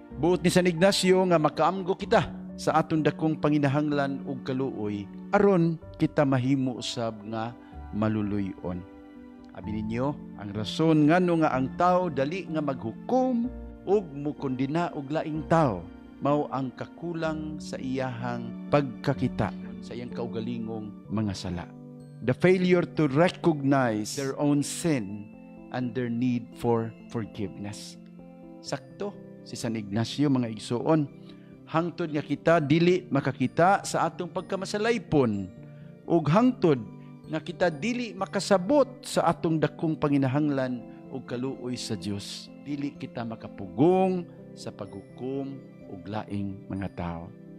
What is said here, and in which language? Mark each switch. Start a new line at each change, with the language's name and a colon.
Cebuano: Buot ni San Ignacio nga makaamgo kita sa aton dakong panginahanglan ug kaluoy aron kita mahimo usab nga maluluyon. Abi ninyo ang rason ngano nga ang tao dali nga maghukom ug mukondina og laing tao mao ang kakulang sa iyahang pagkakita sa iyang kaugalingong mga sala.
English: The failure to recognize their own sin and their need for forgiveness.
Cebuano: Sakto si San Ignacio mga igsuon, hangtod nga kita dili makakita sa atong pagkamasalaypon ug hangtod nga kita dili makasabot sa atong dakong panginahanglan ug kaluoy sa Dios, dili kita makapugong sa paghukom ug laing mga tao.